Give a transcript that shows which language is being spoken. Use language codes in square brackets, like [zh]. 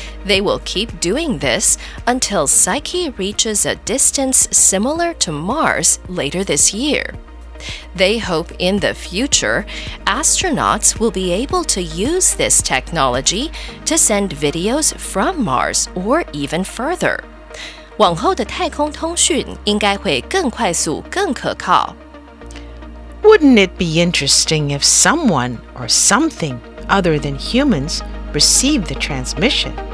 [en] They will keep doing this until Psyche reaches a distance similar to Mars later this year. They hope in the future, astronauts will be able to use this technology to send videos from Mars or even further. [zh] 往后的太空通讯应该会更快速、更可靠。 [en] Wouldn't it be interesting if someone or something other than humans received the transmission?